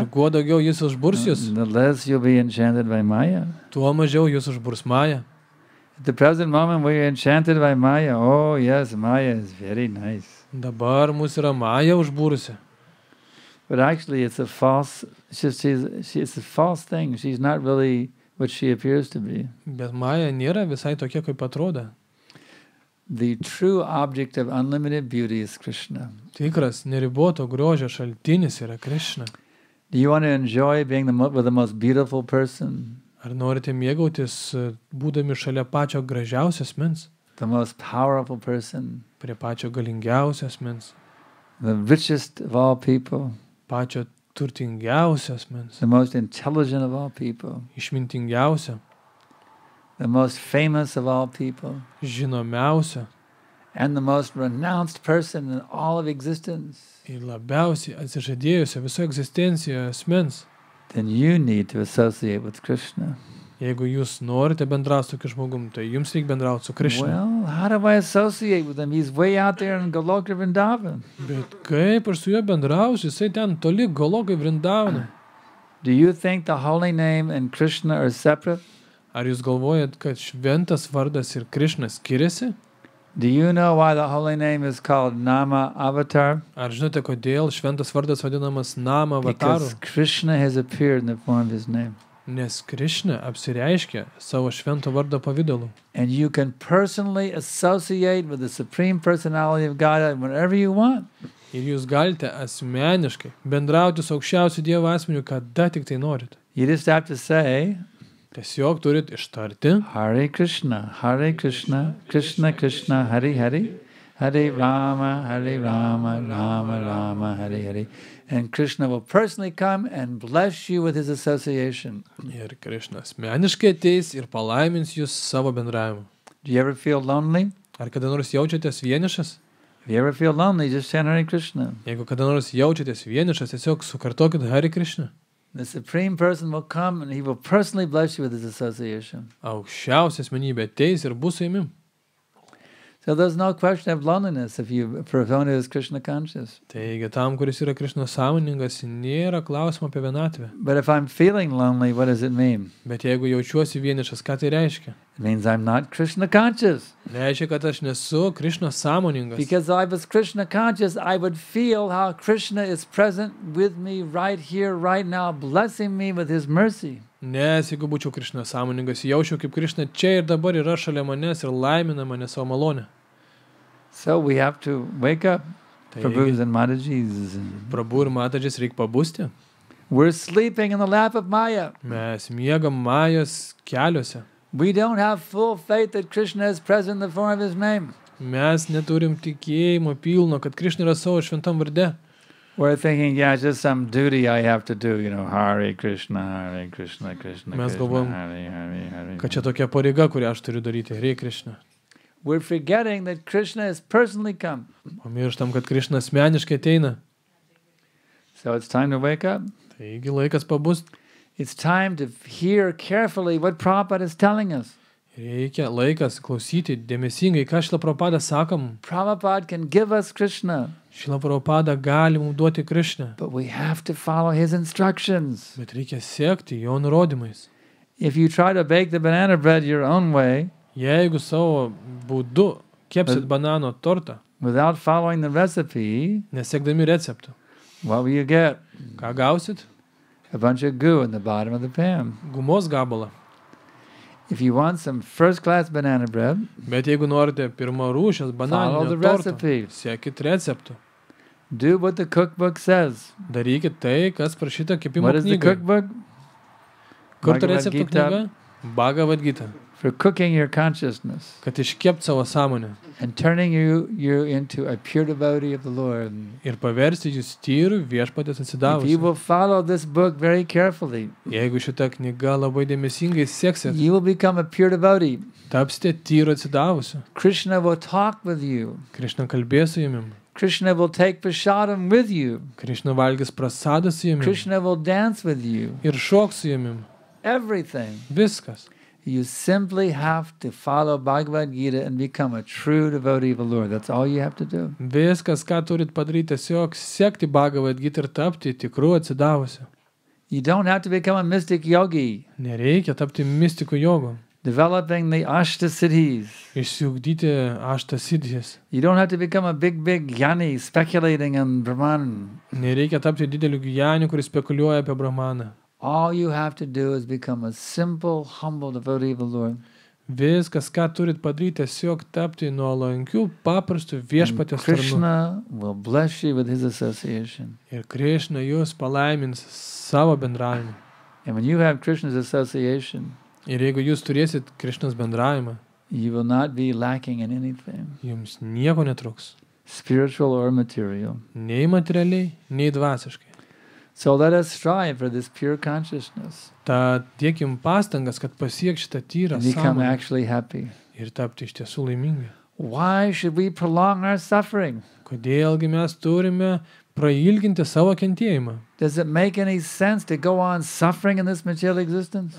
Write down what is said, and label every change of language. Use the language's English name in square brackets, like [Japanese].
[Lithuanian] ir kuo daugiau jūs užburs jūs, [English] the less you'll be enchanted by Maya. [Lithuanian] Tuo mažiau jūs užburs Maya. [English] At the present moment we are enchanted by Maya. Oh yes, Maya is very nice. [Lithuanian] Dabar mus yra Maya užbūrusi. [English] But actually it's a false, it's a false thing. She's not really what she appears to be. [Lithuanian] Bet Maya nėra visai tokia, kaip atrodo. [English] The true object of unlimited beauty is Krishna. [Lithuanian] Tikras neriboto grožio šaltinis yra Krishna. [English] Do you want to enjoy being with the most beautiful person? [Lithuanian] Ar norite mėgautis būdami šalia pačio gražiausio asmens? [English] The most powerful person. [Lithuanian] Prie pačio galingiausio asmens. [English] The richest of all people. [Lithuanian] Pačio turtingiausio asmens. [English] The most intelligent of all people. [Lithuanian] Išmintingiausio. [English] The most famous of all people. [Lithuanian] Žinomiausio. [English] And the most renounced person in all of existence. [Lithuanian] Ir labiausiai atsižadėjusio viso egzistencijoje asmens. [English] Then you need to associate with Krishna. [Lithuanian] Jeigu jūs norite bendrauti su tokiu žmogum, tai jums reikia bendrauti su Krishna. [English] Well, how do I associate with him? He's way out there in Goloka Vrindavan. [Lithuanian] Bet kaip aš su juo bendrausiu? Jisai ten toli Goloka Vrindavan. [English] Do you think the holy name and Krishna are separate? [Lithuanian] Ar jūs galvojat, kad šventas vardas ir Krishna skiriasi? [English] Do you know why the holy name is called Nama Avatar? [Lithuanian] Ar žinote, kodėl šventas vardas vadinamas Nama Avataru? [English] Because Krishna has appeared in the form of his name. [Lithuanian] Nes Krishna apsireiškia savo švento vardo pavidalu. [English] And you can personally associate with the Supreme Personality of God whenever you want. [Lithuanian] Ir jūs galite asmeniškai bendrauti su aukščiausiu Dievo asmeniu, kada tik tai norit. [English] You just have to say, [Lithuanian] tiesiog turit ištarti, [Sanskrit] Hare Krishna, Hare Krishna, Krishna Krishna, Hare Hare, Hare Rama, Hare Rama, Rama Rama, Hare Hare. [English] And Krishna will personally come and bless you with his association. [Lithuanian] Ir Krishna asmeniškai ateis ir palaimins jūs savo bendravimu. [English] Do you ever feel lonely? [Lithuanian] Ar kada nors jaučiatės vienišas? [English] If you ever feel lonely, just chant Hare Krishna. [Lithuanian] Jeigu kada nors jaučiatės vienišas, tiesiog sukartokit Hare Krishna. [English] The Supreme Person will come and he will personally bless you with his association. [Lithuanian] Aukščiausia asmenybė ateis ir bus su jumis. [English] So there's no question of loneliness if you persona is Krishna conscious. [Lithuanian] Taigi tam, kuris yra Krishna sąmoningas, nėra klausimo apie vienatvę. [English] But if I'm feeling lonely, what does it mean? [Lithuanian] Bet jeigu jaučiuosi vienišas, ką tai reiškia? [English] It means I'm not Krishna conscious. [Lithuanian] Reiškia, kad aš nesu Krishna sąmoningas. [English] Because if I was Krishna conscious, I would feel how Krishna is present with me right here, right now, blessing me with his mercy. [Lithuanian] Nes jeigu būčiau Krishna sąmoningas, jaučiau, kaip Krishna čia ir dabar yra šalia manęs ir laimina mane savo malonę. [English] So we have to wake up. Prabhus and Matajis. [Lithuanian] Prabhu ir Matajis reikia pabusti. [English] We're sleeping in the lap of Maya. [Lithuanian] Mes miegam Majos keliuose. [English] We don't have full faith that Krishna is present in the form of his name. [Lithuanian] Mes neturim tikėjimo pilno, kad Krishna yra savo šventam varde. [English] We're thinking, yeah, it's just some duty I have to do, you know, [Sanskrit] Hare Krishna, Hare Krishna, Krishna, [Lithuanian] mes [Sanskrit] Krishna, [Lithuanian] galvom, [Sanskrit] Hare, Hare, Hare. [Lithuanian] Kad čia tokia pareiga, kurią aš turiu daryti, Hare Krishna. [English] We're forgetting that Krishna has personally come. [Lithuanian] O mirštam, kad Krishna asmeniškai ateina. [English] So it's time to wake up. [Lithuanian] Taigi laikas pabust. [English] It's time to hear carefully what Prabhupada is telling us. [Lithuanian] Reikia laikas klausyti dėmesingai, ką Šila Prabhupada sakom. [English] Prabhupada can give us Krishna. [Lithuanian] Šila Prabhupada gali mums duoti Krishna. [English] But we have to follow his instructions. [Lithuanian] Bet reikia sekti jo nurodymais. [English] If you try to bake the banana bread your own way, [Lithuanian] jeigu savo būdu kepsit banano tortą, [English] without following the recipe, [Lithuanian] nesekdami receptų, [English] what will you get? [Lithuanian] Ką gausit? [English] A bunch of goo in the bottom of the pan. [Lithuanian] Gumos gabalą. [English] If you want some first-class banana bread, [Lithuanian] bet jeigu norite pirmarūšės bananinio torto, sekit receptų. [English] Do what the cookbook says. [Lithuanian] Darykit tai, kas prašyta kepimo knygai. [English] What is the cookbook? [Lithuanian] Kur ta receptų knyga? Bhagavad Gita. [English] For cooking your consciousness. [Lithuanian] Kad iškept savo sąmonę. [English] And turning you into a pure devotee of the Lord. [Lithuanian] Ir paversti jūs tyru viešpatės atsidavusiu. [English] If you will follow this book very carefully. [Lithuanian] Jeigu šita knyga labai dėmesingai seksit. [English] You will become a pure devotee. [Lithuanian] Tapsite tyru atsidavusiu. [English] Krishna will talk with you. [Lithuanian] Krishna kalbės su jumim. [English] Krishna will take prasadam with you. [Lithuanian] Krishna valgys prasadą su jumim. [English] Krishna will dance with you. [Lithuanian] Ir šoks su jumim. [English] Everything. [Lithuanian] Viskas. [English] You simply have to follow Bhagavad Gita and become a true devotee of the Lord. That's all you have to do. [Lithuanian] Viskas, ką turit padaryti, tiesiog sekti Bhagavad Gita ir tapti tikru atsidavusiu. [English] You don't have to become a mystic yogi. [Lithuanian] Nereikia tapti mistiku jogu. [English] Developing the ashta siddhis. [Lithuanian] Išsiugdyti ashta siddhis. [English] You don't have to become a big jnani speculating on Brahman. [Lithuanian] Nereikia tapti dideliu jnani, kuris spekuliuoja apie Brahmaną. [English] All you have to do is become a simple, humble devotee of the Lord. [Lithuanian] Viskas, ką turit padaryti, tiesiog tapti nuolankiu, paprastu viešpatės tarnu. [English] Krishna will bless you with his association. [Lithuanian] Ir Krishna jūs palaimins savo bendravimu. [English] And when you have Krishna's association, [Lithuanian] ir jeigu jūs turėsit Krishna's bendravimą, [English] you will not be lacking in anything. [Lithuanian] Jums nieko netruks. [English] Spiritual or material. [Lithuanian] Nei materialiai, nei dvasiškai. [English] So let us strive for this pure consciousness. [Lithuanian] Ta dėkim pastangas, kad pasiek šitą tyrą sąmonę. [English] Become actually happy. [Lithuanian] Ir tapti iš tiesų laimingi. [English] Why should we prolong our suffering? [Lithuanian] Kodėlgi mes turime prailginti savo kentėjimą? [English] Does it make any sense to go on suffering in this material existence?